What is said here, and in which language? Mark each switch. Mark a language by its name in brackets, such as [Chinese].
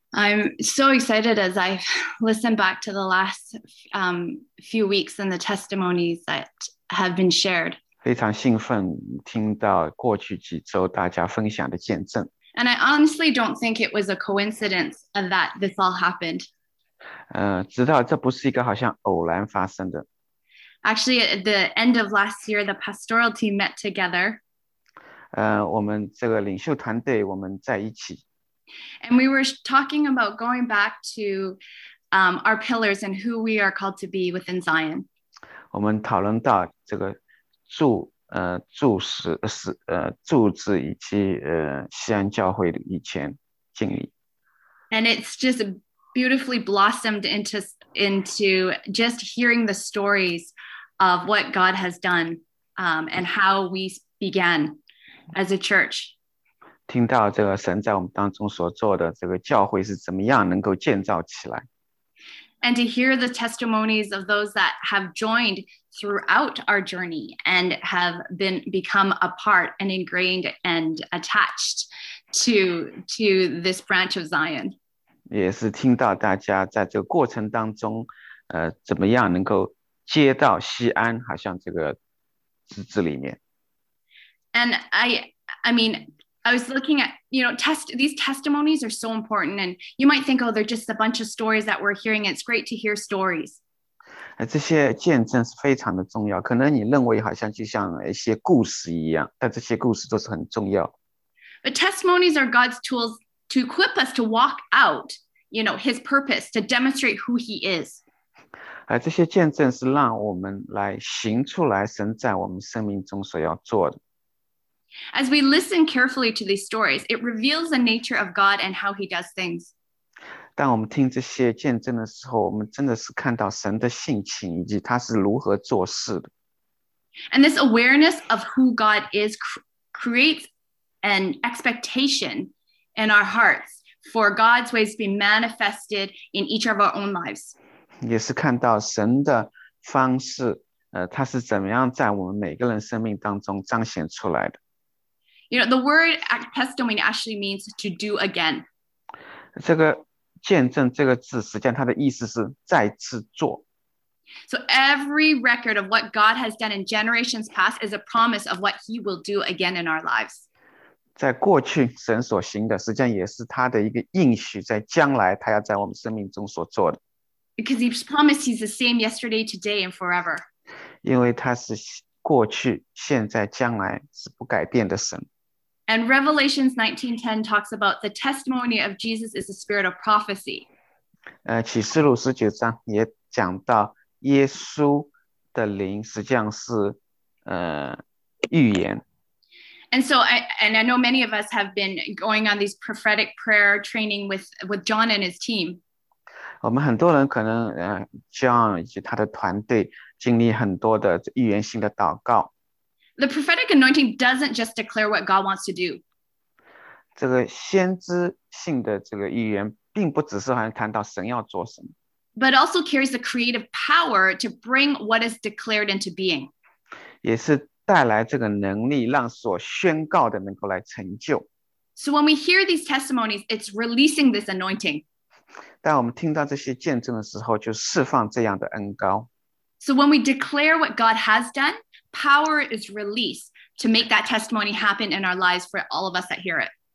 [English] I'm so excited as I listen back to the last few weeks and the testimonies that have been shared. [Chinese] 非常兴奋听到过去几周大家分享的见证。 [English] And I honestly don't think it was a coincidence that this all happened. [Chinese] 知道这不是一个好像偶然发生的。 [English] Actually, at the end of last year, the pastoral team met together. [Chinese] 我们这个领袖团队我们在一起。 [English] And we were talking about going back to our pillars and who we are called to be within Zion. [Chinese] 我们讨论到这个柱子以及西安教会的以前经历。 [English] And it's just beautifully blossomed into just hearing the stories of what God has done and how we began. As a church, [Chinese] 听到这个神在我们当中所做的这个教会是怎么样能够建造起来。 [English] And to hear the testimonies of those that have joined throughout our journey and have become a part and ingrained and attached to this branch of Zion. [Chinese] 也是听到大家在这个过程当中，怎么样能够接到西安，好像这个枝里面。 [English] And I was looking at, you know, these testimonies are so important. And you might think, oh, they're just a bunch of stories that we're hearing. It's great to hear stories. [Chinese] 这些见证是非常的重要。可能你认为好像就像一些故事一样，但这些故事都是很重要。 [English] But testimonies are God's tools to equip us to walk out, you know, his purpose, to demonstrate who he is. [Chinese] 这些见证是让我们来行出来神在我们生命中所要做的。 [English] As we listen carefully to these stories, it reveals the nature of God and how he does things. [Chinese] 当我们听这些见证的时候，我们真的是看到神的性情以及他是如何做事的。 [English] And this awareness of who God is creates an expectation in our hearts for God's ways to be manifested in each of our own lives. [Chinese] 也是看到神的方式，他是怎么样在我们每个人生命当中彰显出来的。 [English] You know, the word testimony actually means to do again. [Chinese] 这个见证这个字实际上它的意思是再次做。 [English] So every record of what God has done in generations past is a promise of what he will do again in our lives. [Chinese] 在过去神所行的实际上也是他的一个应许在将来他要在我们生命中所做的。 [English] Because he's promised he's the same yesterday, today, and forever. [Chinese] 因为他是过去现在将来是不改变的神。 [English] And Revelations 19:10 talks about the testimony of Jesus is the spirit of prophecy. [Chinese] 启示录十九章也讲到耶稣的灵实际上是预言。 [English] And so I know many of us have been going on these prophetic prayer training with John and his team. [Chinese] 我们很多人可能John 以及他的团队经历很多的预言性的祷告。 [English] The prophetic anointing doesn't just declare what God wants to do. [Chinese] 这个先知性的这个预言并不只是好像谈到神要做什么。 [English] But also carries the creative power to bring what is declared into being. [Chinese] 也是带来这个能力让所宣告的能够来成就。 [English] So when we hear these testimonies, it's releasing this anointing. [Chinese] 当我们听到这些见证的时候，就释放这样的恩膏。 [English] So when we declare what God has done, power is released to make that testimony happen in our lives for all of us that hear it.